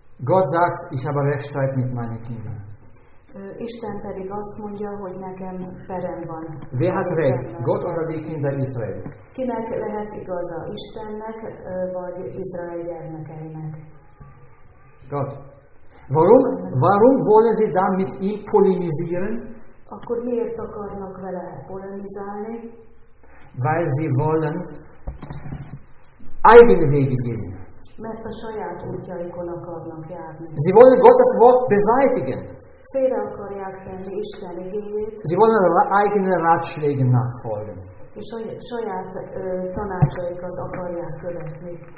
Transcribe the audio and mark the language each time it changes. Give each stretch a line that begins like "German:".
German: Gott sagt, ich habe Rechtsstreit mit meinen Kindern.
Hungarian: Isten pedig azt mondja, hogy nekem perem van.
German: Wer hat recht? Gott oder die Kinder Israel?
Hungarian: Kinek lehet igaza? Istennek vagy Izrael gyermekeinek?
German: Gott. Warum wollen Sie dann mit ihm polemisieren?
Hungarian: Akkor miért akarnak vele polemizálni?
German: Weil sie wollen eigene Wege gehen.
Hungarian: Mert a saját útjaikon akarnak járni.
German: Sie wollen Gottes Wort beseitigen.
Hungarian: Félre akarják tenni Isten igényét.
German: Sie wollen eigene Ratschläge nachfolgen.
Hungarian: És saját tanácsaikat akarják követni.